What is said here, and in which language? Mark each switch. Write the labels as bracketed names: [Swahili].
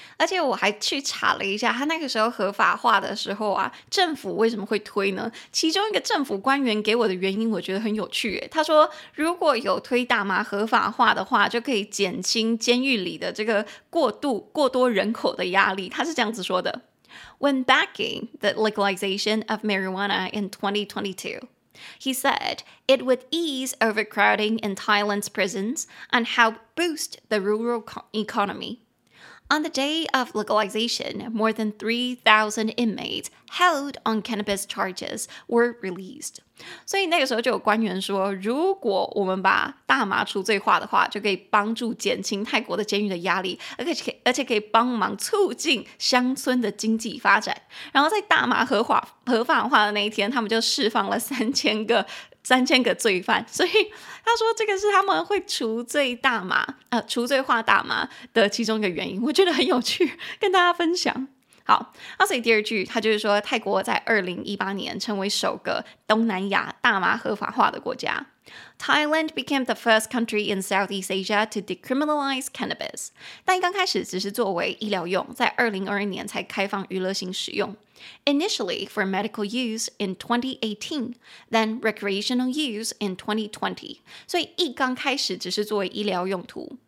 [Chinese] 而且我还去查了一下，他那个时候合法化的时候啊，政府为什么会推呢？其中一个政府官员给我的原因我觉得很有趣耶，他说如果有推大麻合法化的话，就可以减轻监狱里的这个过多人口的压力，他是这样子说的。 [English] When backing the legalization of marijuana in 2022, he said it would ease overcrowding in Thailand's prisons and help boost the rural economy. On the day of legalization, more than 3,000 inmates held on cannabis charges were released. [Chinese] 所以那个时候就有官员说，如果我们把大麻除罪化的话，就可以帮助减轻泰国的监狱的压力，而且可以帮忙促进乡村的经济发展。然后在大麻合法化的那一天，他们就释放了三千个罪犯。所以他说这个是他们会除罪化大麻的其中一个原因，我觉得很有趣，跟大家分享。好，那所以第二句他就是说泰国在2018年成为首个东南亚大麻合法化的国家。 [English] Thailand became the first country in Southeast Asia to decriminalize cannabis. [Chinese] 但刚开始只是作为医疗用，在2022年才开放娱乐性使用。 [English] Initially for medical use in 2018, then recreational use in 2020. [Chinese] 所以一刚开始只是作为医疗用途。